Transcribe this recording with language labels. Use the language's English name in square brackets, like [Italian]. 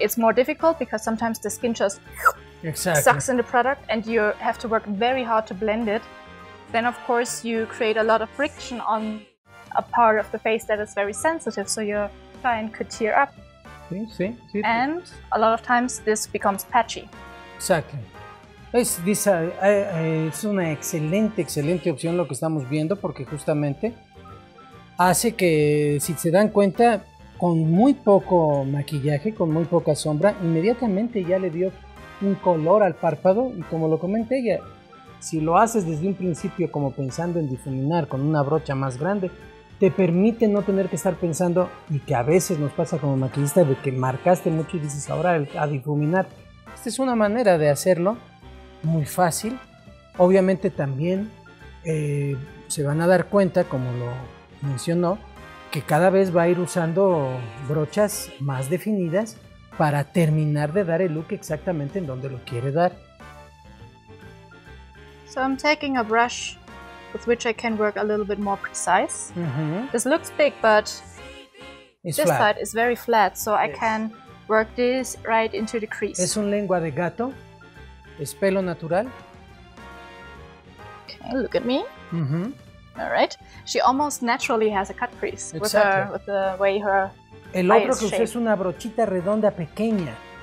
[English] It's more difficult because sometimes the skin just sucks in the product and you have to work very hard to blend it. Then of course you create a lot of friction on a part of the face that is very sensitive, so your client could tear up. See. And a lot of times this becomes patchy. Exactly. [Spanish] Es una excelente, excelente opción lo que estamos viendo, porque justamente hace que, si se dan cuenta, con muy poco maquillaje, con muy poca sombra, inmediatamente ya le dio un color al párpado. Y como lo comenté, ya, si lo haces desde un principio como pensando en difuminar con una brocha más grande, te permite no tener que estar pensando, y que a veces nos pasa como maquillista, de que marcaste mucho y dices ahora a difuminar. Esta es una manera de hacerlo muy fácil. Obviamente también se van a dar cuenta, como lo mencionó, que cada vez va a ir usando brochas más definidas para terminar de dar el look exactamente en donde lo quiere dar. [English] So I'm taking a brush with which I can work a little bit more precise. This looks big, but it's this flat. Side is very flat, so yes. I can work this right into the crease. [Spanish] Es un lengua de gato, es pelo natural. [English] Okay, look at me. Alright, she almost naturally has a cut crease with the way her [Spanish] El otro que usé es una brochita redonda pequeña.